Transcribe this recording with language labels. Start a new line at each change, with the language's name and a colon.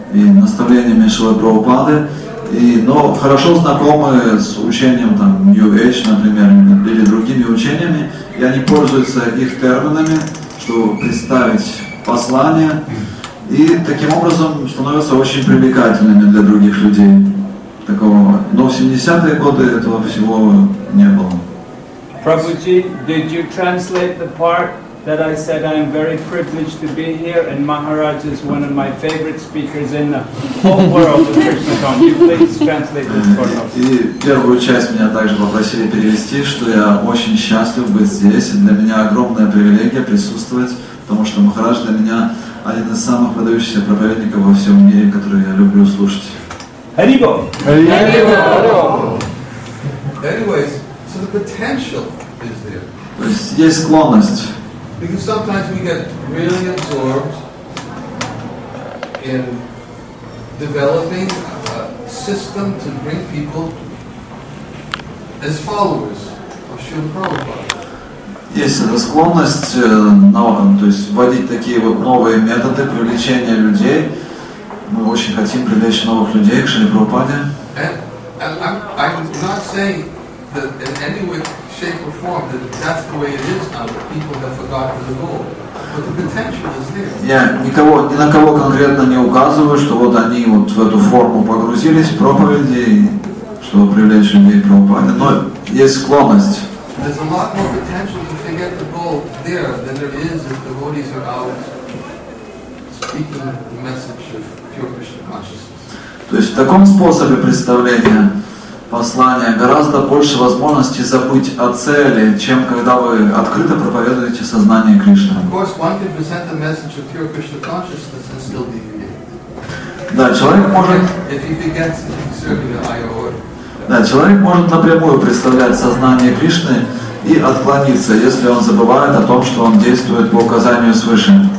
Russian: и наставлениями Шрилы Прабхупады, и, но хорошо знакомы с учением там New Age, например, или другими учениями, и они пользуются их терминами, чтобы представить послание, и таким образом становятся очень привлекательными для других людей. Такого. Но в 70-е годы этого всего не было.
English: Prabhuji, did you translate the part that I said I am very privileged to be here and Maharaj is one of my favorite speakers in the whole world of Krishna consciousness? Please translate this for us.
Russian: И первую часть меня также попросили перевести, что я очень счастлив быть здесь, и для меня огромная привилегия присутствовать, потому что Махарадж для меня один из самых выдающихся проповедников во всем мире, который я люблю слушать. Харибо! Харибо!
English: Anyways, so the potential is there.
Russian: То есть есть склонность.
English: Because sometimes we get really absorbed in developing a system to bring people as followers of Srila Prabhupada.
Russian: Есть эта склонность, то есть вводить такие вот новые методы привлечения людей. Мы очень хотим привлечь новых людей к Шри Прабхупаде.
English: I'm not saying that in any way, shape or form that that's the way it is now, that people have forgotten the goal. But the potential is there.
Russian: Я никого, ни на кого конкретно не указываю, что вот они вот в эту форму погрузились, проповеди, чтобы привлечь людей к Прабхупаде. Но есть склонность.
English: There's a lot more potential to forget the goal there than there is if devotees are out speaking the message of pure Krishna consciousness.
Russian: То есть в таком способе представления послания гораздо больше возможности забыть о цели, чем когда вы открыто проповедуете сознание Кришны.
English: Of course, one can present the message of pure Krishna consciousness and still be deviated.
Russian: Да, человек может.
English: If he begins serving the higher.
Russian: Да, человек может напрямую представлять сознание Кришны и отклониться, если он забывает о том, что он действует по указанию свыше.